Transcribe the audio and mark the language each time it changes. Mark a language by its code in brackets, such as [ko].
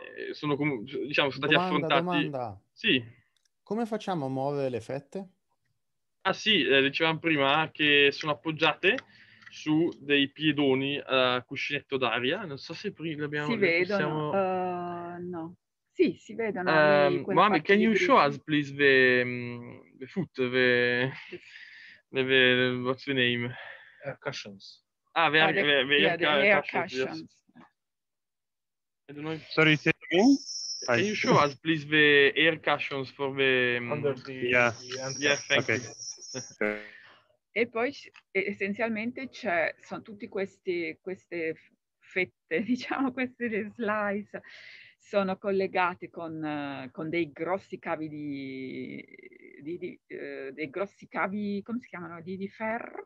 [it] Sono stati affrontati... Domanda. Sì. Come facciamo a muovere le fette? Ah sì, dicevamo prima che sono appoggiate su dei piedoni a cuscinetto d'aria, non so se prima li abbiamo... Si vedono, possiamo... no. Sì, si vedono. [en] Mami, can you show us, please, the foot, what's the name? Cushions. Ah, the air cushions. Yes. Sorry, say again? Can you show us, please, the air cushions for the... Under the okay. [it] E poi essenzialmente c'è, sono tutte queste fette, diciamo, queste slice, sono collegate con dei grossi cavi dei grossi cavi, come si chiamano, di ferro?